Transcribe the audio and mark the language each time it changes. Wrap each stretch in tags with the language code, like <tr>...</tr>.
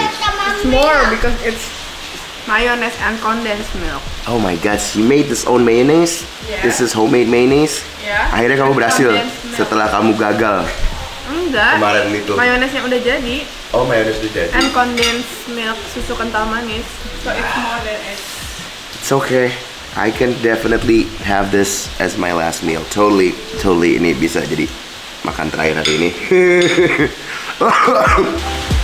<en>It's more because it's mayonnaise and condensed milk. Oh my god, she made this own mayonnaise? Yeah. This is homemade mayonnaise? Yeah.</en> <id>Akhirnya kamu berhasil setelah kamu gagal. Enggak. Kemarin itu. Mayonnaise-nya udah jadi. Oh, mayonnaise udah jadi.</id> <en>And condensed milk,</en> <id>susu kental manis.</id> <en>So it's more than it. It's okay. I can definitely have this as my last meal. Totally, totally</en> <id>ini bisa jadi makan terakhir hari ini.</id>